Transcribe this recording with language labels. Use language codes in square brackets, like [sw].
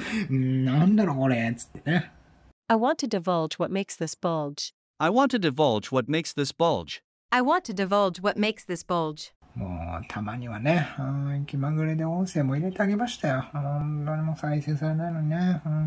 [ja] なんだろうこれっつってね。 [en] I want to divulge what makes this bulge. I want to divulge what makes this bulge. I want to divulge what makes this bulge. [ja] もうたまにはね、気まぐれで音声も入れてあげましたよ。本当にもう再生されないのにね。